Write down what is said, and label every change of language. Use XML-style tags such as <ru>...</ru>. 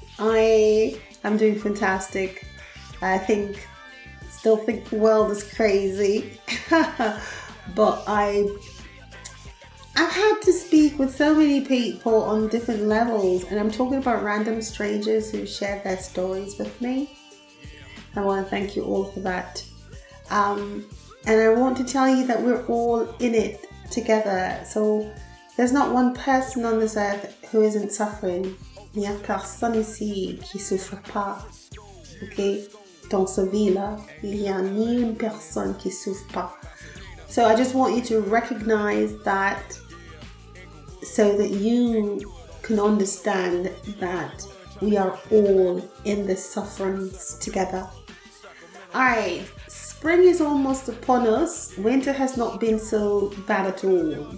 <en>I am doing fantastic. I think, still think the world is crazy, but I've had to speak with so many people on different levels, and I'm talking about random strangers who share their stories with me. I want to thank you all for that. And I want to tell you that we're all in it together. So there's not one person on this earth who isn't suffering.</en> <fr>Il n'y a personne ici qui souffre pas. Okay? Dans ce vie-là, il n'y a ni une personne qui souffre pas.</fr> <en>So I just want you to recognize that so that you can understand that we are all in this sufferance together. Alright, spring is almost upon us. Winter has not been so bad at all.</en>